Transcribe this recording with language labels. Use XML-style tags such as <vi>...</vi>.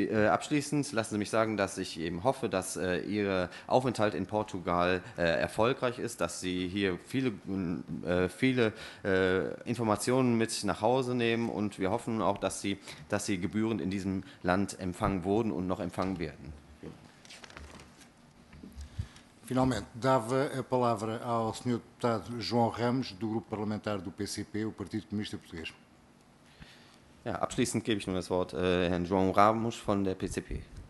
<de>Abschließend lassen Sie mich sagen, dass ich eben hoffe, dass Ihr Aufenthalt in Portugal erfolgreich ist, dass Sie hier viele Informationen mit nach Hause nehmen, und wir hoffen auch, dass Sie gebührend in diesem Land empfangen wurden und noch empfangen werden.</de> <pt>Finalmente, dava a palavra ao Sr. Deputado João Ramos, do Grupo Parlamentar do PCP, o Partido Comunista Português.</pt> <de>Ja, abschließend gebe ich nun das Wort Herrn João Ramos von der PCP.</de>